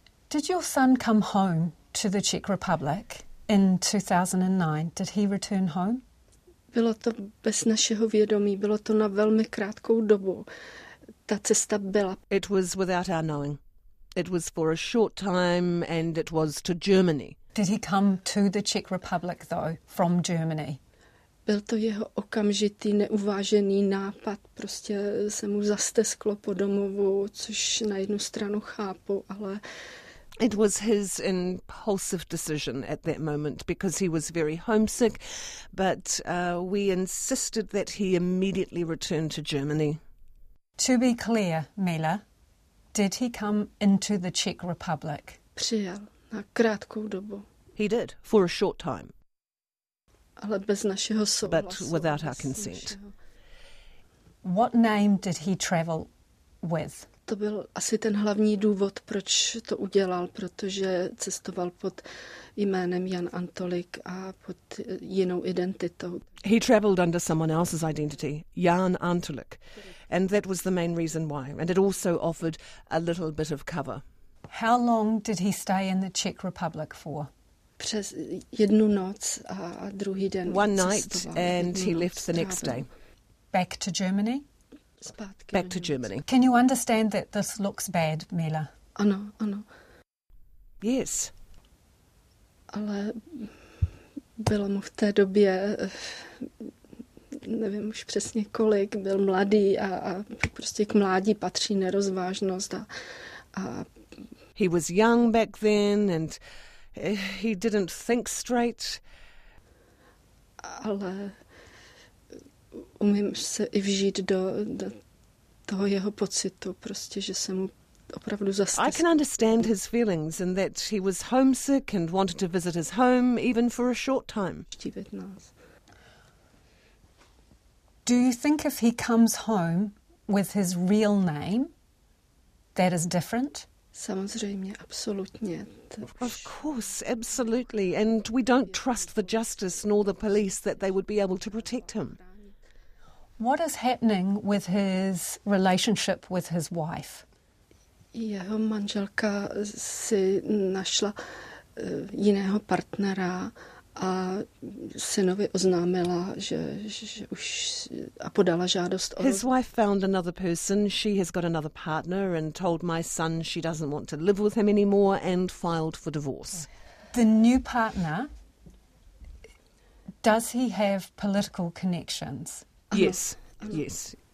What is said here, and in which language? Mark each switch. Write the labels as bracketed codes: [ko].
[en] Did your son come home to the Czech Republic? In 2009, did he return home? [cs] Bylo to bez našeho vědomí, bylo to na velmi krátkou dobu. Ta cesta byla. [en] It was without our knowing. It was for a short time and it was to Germany. Did he come to the Czech Republic though, from Germany? [cs] Byl to jeho okamžitý, neuvážený nápad. Prostě se mu zastesklo po domovu, což na jednu stranu chápu, ale. [en] It was his impulsive decision at that moment because he was very homesick, but we insisted that he immediately return to Germany. To be clear, Mila, did he come into the Czech Republic? [cs] Přijel na krátkou dobu. [en] He did, for a short time. [cs] Ale bez našeho souhlasu. [en] But without our consent. What name did he travel with? [cs] To byl asi ten hlavní důvod, proč to udělal, protože cestoval pod jménem Jan Antolik a pod jinou identitou. [en] He traveled under someone else's identity, Jan Antolik, and that was the main reason why, and it also offered a little bit of cover. How long did he stay in the Czech Republic for? [cs] Přes jednu noc a druhý den cestoval. [en] One night and he left the next day. Back to Germany? [cs] zpátky [en] back to Germany. Can you understand that this looks bad, Mela? [cs] Ano, ano. [en] Yes. [cs] Ale bylo mu v té době, nevím už přesně kolik, byl mladý a prostě k mládí patří nerozvážnost a [en] he was young back then and he didn't think straight. [cs] Ale umím se i vžít do toho jeho pocitu, prostě, že se mu opravdu zastesklo. [en] I can understand his feelings and that he was homesick and wanted to visit his home even for a short time. Do you think if he comes home with his real name, that is different? Samozřejmě, absolutně. Of course, absolutely. And we don't trust the justice nor the police that they would be able to protect him. What is happening with his relationship with his wife? [cs] Jeho manželka si našla jiného partnera a synovi oznámila, že už a podala žádost o... [en] His wife found another person. She has got another partner and told my son she doesn't want to live with him anymore and filed for divorce. The new partner, does he have political connections? Yes, [cs] ano. [en] Yes.